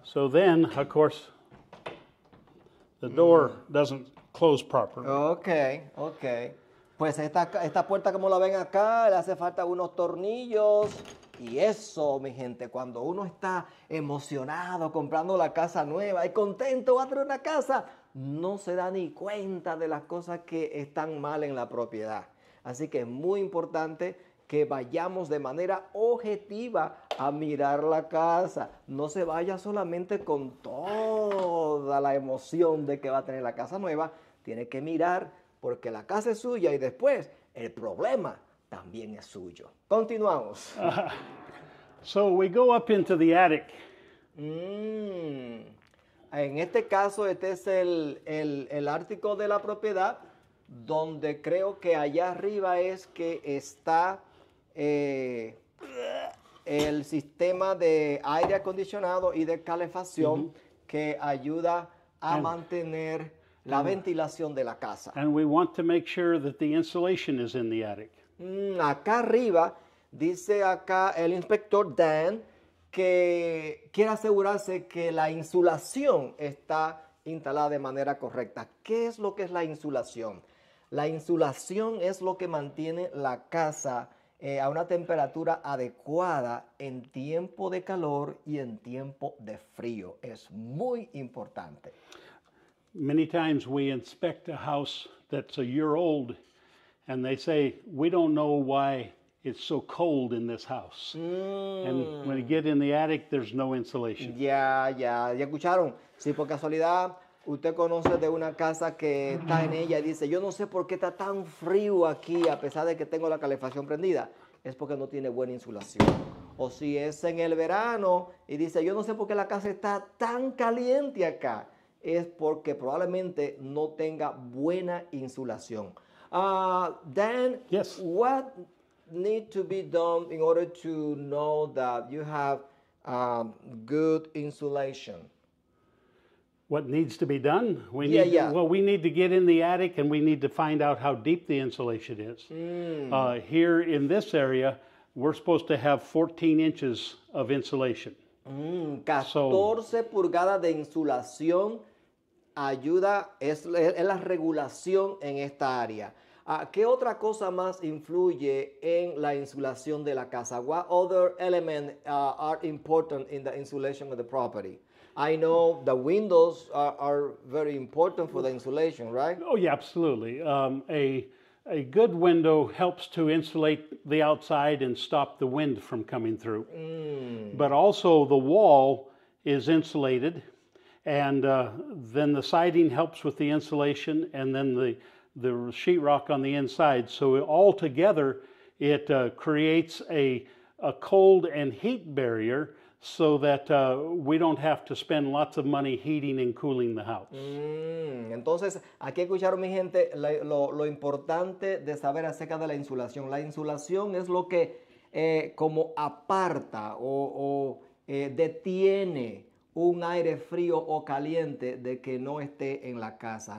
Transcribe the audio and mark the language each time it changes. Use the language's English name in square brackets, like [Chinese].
[English] So then, of course, the door doesn't close properly. Okay. [Spanish] Pues esta puerta, como la ven acá, le hace falta unos tornillos. Y eso, mi gente, cuando uno está emocionado comprando la casa nueva y contento va a tener una casa, no se da ni cuenta de las cosas que están mal en la propiedad. Así que es muy importante que vayamos de manera objetiva a mirar la casa. No se vaya solamente con toda la emoción de que va a tener la casa nueva. Tiene que mirar porque la casa es suya y después el problema también es suyo. Continuamos. [English] So we go up into the attic. [Spanish] En este caso, este es el ático de la propiedad, donde creo que allá arriba es que está el sistema de aire acondicionado y de calefacción que ayuda a mantener la ventilación de la casa. [English] And we want to make sure that the insulation is in the attic. [Spanish] Acá arriba, dice acá el inspector Dan, que quiere asegurarse que la insulación está instalada de manera correcta. ¿Qué es lo que es la insulación? La insulación es lo que mantiene la casa a una temperatura adecuada en tiempo de calor y en tiempo de frío. Es muy importante. [English] Many times we inspect a house that's a year old and they say, we don't know why it's so cold in this house. And when you get in the attic, there's no insulation. [Spanish] Ya escucharon. Si por casualidad usted conoce de una casa que está en ella y dice, yo no sé por qué está tan frío aquí a pesar de que tengo la calefacción prendida, es porque no tiene buena insulación. O si es en el verano y dice, yo no sé por qué la casa está tan caliente acá, es porque probablemente no tenga buena insulación. [English] Dan, yes. What need to be done in order to know that you have good insulation? What needs to be done? We need to get in the attic and we need to find out how deep the insulation is. Here in this area, we're supposed to have 14 inches of insulation. [Spanish] 14 pulgadas de insulación ayuda, es la regulación en esta área. ¿Qué otra cosa más influye en la insulación de la casa? [English] What other elements are important in the insulation of the property? I know the windows are very important for the insulation, right? Oh, yeah, absolutely. A good window helps to insulate the outside and stop the wind from coming through. But also the wall is insulated, and then the siding helps with the insulation, and then the sheetrock on the inside. So all together, it creates a cold and heat barrier so that we don't have to spend lots of money heating and cooling the house. [Spanish] Entonces, aquí escucharon, mi gente, lo importante de saber acerca de la insulación. La insulación es lo que como aparta o detiene un aire frío o caliente de que no esté en la casa.